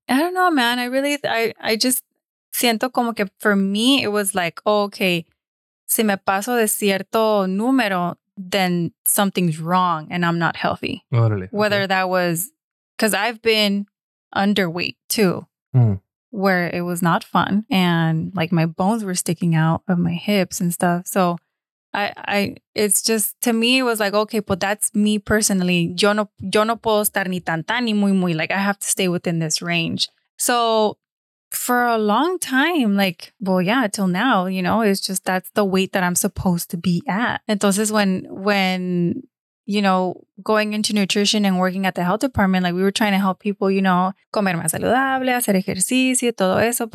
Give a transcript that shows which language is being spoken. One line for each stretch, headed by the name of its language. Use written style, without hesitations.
English: I don't know, man. I just
Spanish: siento como que
English: for me, it was like, oh, okay,
Spanish: si me paso de cierto número,
English: then something's wrong and I'm not healthy.
Spanish: Orale.
English: Whether okay. that was, because I've been underweight too, where it was not fun. And like my bones were sticking out of my hips and stuff. So I it's just, to me, it was like, okay, but that's me personally.
Spanish: Yo no puedo estar ni tan tan ni muy muy.
English: Like I have to stay within this range. So for a long time, like, well, yeah, till now, you know, it's just, that's the weight that I'm supposed to be at. Entonces, when, you know, going into nutrition and working at the health department, like we were trying to help people, you know,
Spanish: comer más saludable, hacer ejercicio, todo eso.